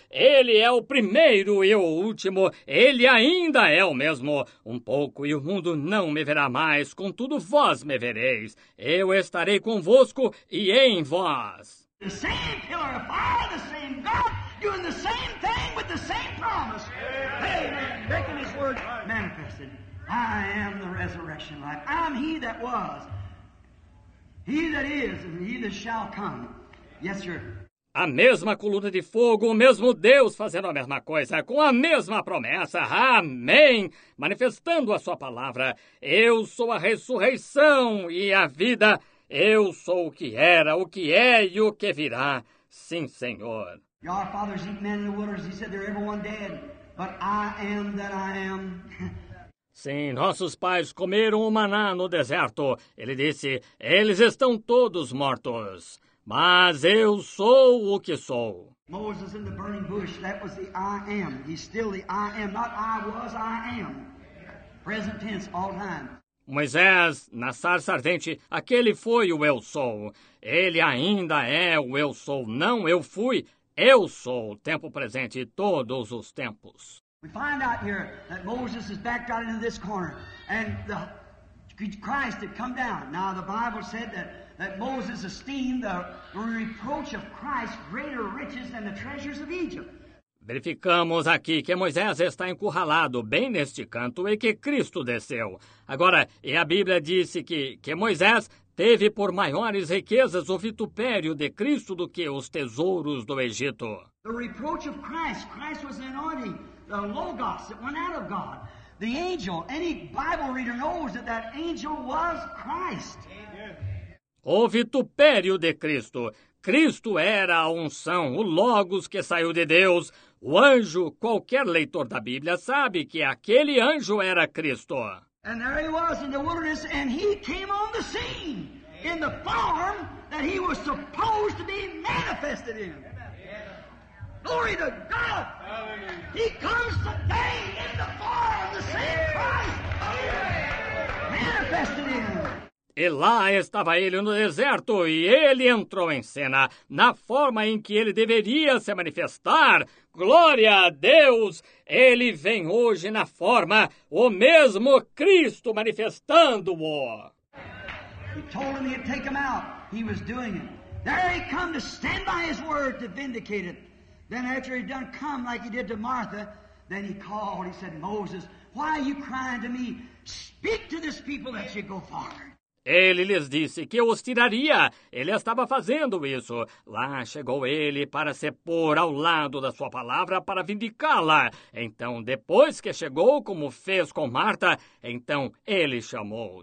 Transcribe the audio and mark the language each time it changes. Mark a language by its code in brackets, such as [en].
[pt] Ele é o primeiro e o último. Ele ainda é o mesmo. Um pouco e o mundo não me verá mais. Contudo, vós me vereis. Eu estarei convosco e em vós. [en] The same pillar of fire, the same God, doing the same thing with the same promise. Amen. Making his word manifested. I am the resurrection life. I'm he that was. He that is and he that shall come. Yes, sir. [pt] A mesma coluna de fogo, o mesmo Deus fazendo a mesma coisa, com a mesma promessa. Amém! Manifestando a sua palavra. Eu sou a ressurreição e a vida. Eu sou o que era, o que é e o que virá. Sim, Senhor. [en] Your fathers eat men in the wilderness. He said they're everyone dead. But I am that I am. [pt] Sim, nossos pais comeram o maná no deserto. Ele disse, eles estão todos mortos, mas eu sou o que sou. [en] Moses in the burning bush, that was the I am. He's still the I am, not I was, I am. Present tense, all time. [pt] Moisés, na sarça ardente, aquele foi o eu sou. Ele ainda é o eu sou, não eu fui, eu sou. Tempo presente, todos os tempos. [en] We find out here that Moses is backed out into this corner and the Christ had come down. Now the Bible said that Moses esteemed the reproach of Christ greater riches than the treasures of Egypt. [pt] Verificamos aqui que Moisés está encurralado bem neste canto e que Cristo desceu. Agora, e a Bíblia disse que Moisés teve por maiores riquezas o vitupério de Cristo do que os tesouros do Egito. [en] The reproach of Christ was anointed. The Logos that went out of God, the angel, any Bible reader knows that angel was Christ. [pt] O vitupério de Cristo. Cristo era a unção, o Logos que saiu de Deus. O anjo, qualquer leitor da Bíblia sabe que aquele anjo era Cristo. [en] And there he was in the wilderness, and he came on the scene in the form that he was supposed to be manifested in. Glory to God! Hallelujah. He comes today in the form of the same Christ! Manifested in him! [pt] E lá estava ele no deserto, e ele entrou em cena, na forma em que ele deveria se manifestar. Glória a Deus! Ele vem hoje na forma, o mesmo Cristo manifestando-o. [en] He told him he'd take him out. He was doing it. There he come to stand by his word to vindicate it. Then after he'd done come like he did to Martha, then he called. He said, Moses, why are you crying to me? Speak to this people that you go far. [pt] Ele lhes disse que os tiraria. Ele estava fazendo isso. Lá chegou ele para se pôr ao lado da sua palavra para vindicá-la. Então, depois que chegou, como fez com Marta, então ele chamou.